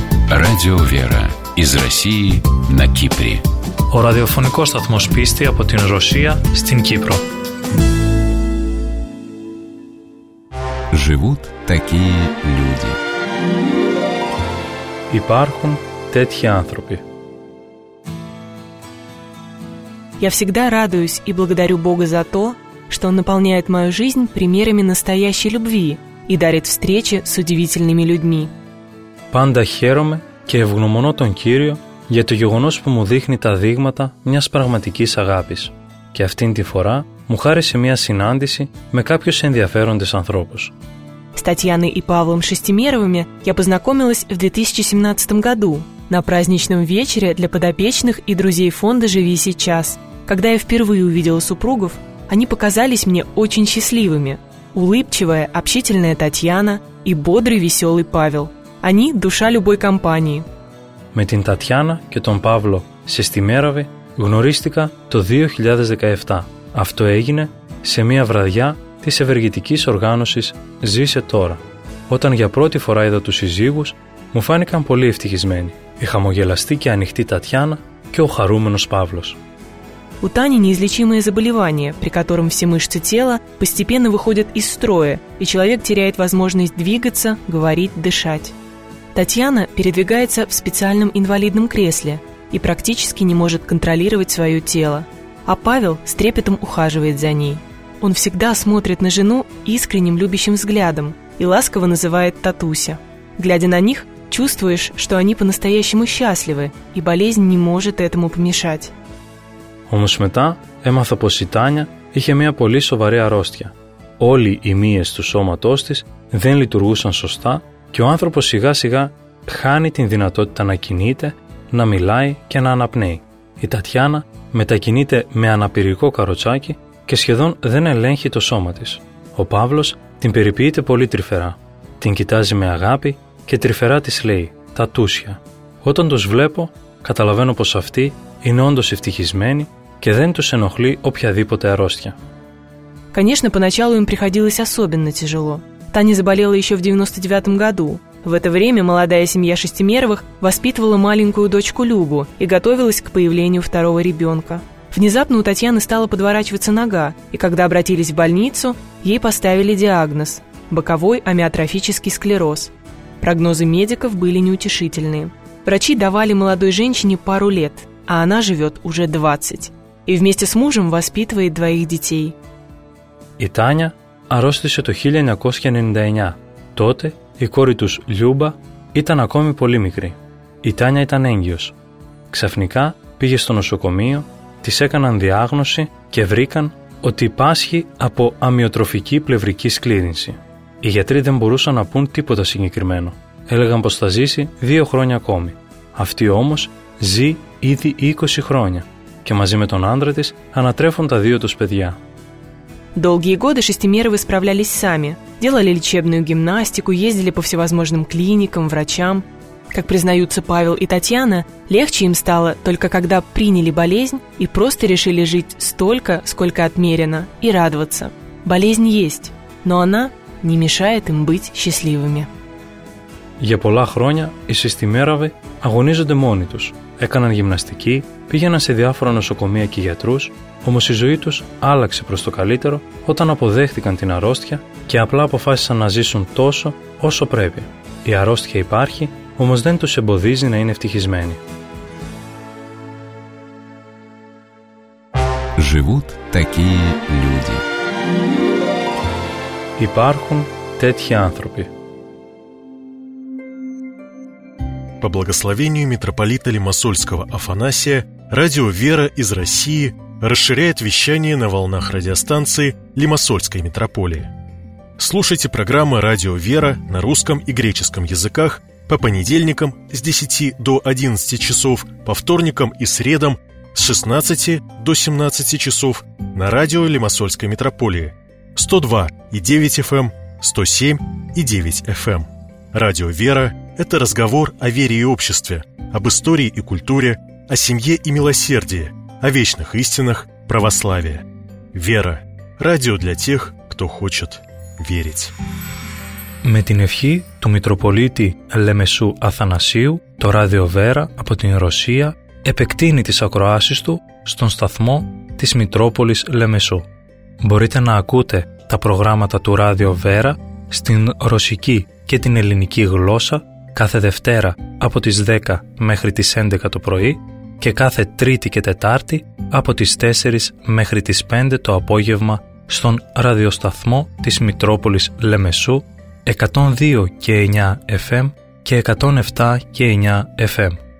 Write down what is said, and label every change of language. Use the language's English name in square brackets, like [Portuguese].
[Russian] Радио Вера из России на Кипре. [Greek] Ο ραδιοφωνικός σταθμός πίστη από την Ρωσία στην Κύπρο. [Russian] Живут такие люди. [Greek] Υπάρχουν τέτοιοι άνθρωποι. [Russian] Я всегда радуюсь и благодарю Бога за то, что Он наполняет мою жизнь примерами настоящей любви и дарит встречи с удивительными людьми. [Greek] Πάντα χαίρομαι και ευγνωμονώ τον Κύριο για το γεγονός που μου δείχνει τα δείγματα μιας πραγματικής αγάπης. Και αυτήν τη φορά μου χάρισε μια συνάντηση με κάποιους ενδιαφέροντες ανθρώπους. [Russian] С Татьяной и Павлом Шестимеровыми я познакомилась в 2017 году на праздничном вечере для подопечных и друзей фонда «Живи сейчас». Когда я впервые увидела супругов, они показались мне очень счастливыми. Улыбчивая, общительная Татьяна и бодрый, веселый Павел. Они – душа любой компании. [Greek] Με την Τατιάνα και τον Παύλο Σεστιμέροβη γνωρίστηκα το 2017. Αυτό έγινε σε μια βραδιά της ευεργετικής οργάνωσης «Ζήσε τώρα». Όταν για πρώτη φορά είδα τους συζύγους, μου φάνηκαν πολύ ευτυχισμένοι. Η χαμογελαστή και ανοιχτή Τατιάνα και ο χαρούμενος Παύλος. [Russian] У Тани неизлечимое заболевание, при котором все мышцы тела постепенно выходят из строя, и человек теряет возможность двигаться, говорить, дышать. Татьяна передвигается в специальном инвалидном кресле и практически не может контролировать свое тело. А Павел с трепетом ухаживает за ней. Он всегда смотрит на жену искренним любящим взглядом и ласково называет «Татуся». Глядя на них, чувствуешь, что они по-настоящему счастливы, и болезнь не может этому помешать. [Greek] Όμως μετά έμαθα πως η Τάνια είχε μια πολύ σοβαρή αρρώστια. Όλοι οι μύες του σώματός της δεν λειτουργούσαν σωστά και ο άνθρωπος σιγά σιγά χάνει την δυνατότητα να κινείται, να μιλάει και να αναπνέει. Η Τατιάνα μετακινείται με αναπηρικό καροτσάκι και σχεδόν δεν ελέγχει το σώμα της. Ο Παύλος την περιποιείται πολύ τρυφερά. Την κοιτάζει με αγάπη και τρυφερά της λέει «Τατούσια». Όταν τους βλέπω, καταλαβαίνω πως αυτή είναι όντως ευτυχισμένοι και δεν τους ενοχλεί οποιαδήποτε αρρώστια. [Russian] Конечно, поначалу им приходилось особенно тяжело. Таня заболела еще в 99-м году. В это время молодая семья Шестимеровых воспитывала маленькую дочку Любу и готовилась к появлению второго ребенка. Внезапно у Татьяны стала подворачиваться нога, и когда обратились в больницу, ей поставили диагноз – боковой амиотрофический склероз. Прогнозы медиков были неутешительные. Врачи давали молодой женщине пару лет, а она живет уже 20. И вместе с мужем воспитывает двоих детей. И Таня [Greek] arrostise το 1999. Τότε η κόρη τους Λιούμπα ήταν ακόμη πολύ μικρή. Η Τάνια ήταν έγκυος. Ξαφνικά πήγε στο νοσοκομείο, της έκαναν διάγνωση και βρήκαν ότι πάσχει από αμυοτροφική πλευρική σκλήρυνση. Οι γιατροί δεν μπορούσαν να πούν τίποτα συγκεκριμένο. Έλεγαν πως θα ζήσει 2 χρόνια ακόμη. Αυτή όμως ζει ήδη 20 χρόνια και μαζί με τον άντρα της ανατρέφουν τα δύο τους παιδιά. [Russian] Долгие годы Шестимеровы справлялись сами. Делали лечебную гимнастику, ездили по всевозможным клиникам, врачам. Как признаются Павел и Татьяна, легче им стало только когда приняли болезнь и просто решили жить столько, сколько отмерено, и радоваться. Болезнь есть, но она не мешает им быть счастливыми. [Greek] Για πολλά χρόνια οι Шестимеровы αγωνίζονται μόνοι τους. Έκαναν γυμναστική, πήγαιναν σε διάφορα νοσοκομεία και γιατρούς. Όμως η ζωή τους άλλαξε προς το καλύτερο όταν αποδέχτηκαν την αρρώστια και απλά αποφάσισαν να ζήσουν τόσο όσο πρέπει. Η αρρώστια υπάρχει, όμως δεν τους εμποδίζει να είναι ευτυχισμένοι. [Russian] Живут такие люди. [Greek] Υπάρχουν τέτοιοι άνθρωποι. [Russian] По благословению митрополита Лимассольского Афанасия, радио «Вера» из России расширяет вещание на волнах радиостанции Лимассольской митрополии. Слушайте программы «Радио Вера» на русском и греческом языках по понедельникам с 10 до 11 часов, по вторникам и средам с 16 до 17 часов на радио Лимассольской митрополии 102.9 FM, 107.9 FM. Радио «Вера» – это разговор о вере и обществе, об истории и культуре, о семье и милосердии, о вечных истинах православия. Вера. Радио для тех, кто хочет верить. [Greek] Με την ευχή του Μητροπολίτη Λεμεσού Αθανασίου, το Ράδιο Βέρα από την Ρωσία επεκτείνει τις ακροάσεις του στον σταθμό της Μητρόπολης Λεμεσού. Μπορείτε να ακούτε τα προγράμματα του Ράδιο Βέρα στην ρωσική και την ελληνική γλώσσα κάθε Δευτέρα από τις 10 μέχρι τις 11 το πρωί και κάθε Τρίτη και Τετάρτη από τις 4 μέχρι τις 5 το απόγευμα στον ραδιοσταθμό της Μητρόπολης Λεμεσού 102 και 9 FM και 107 και 9 FM.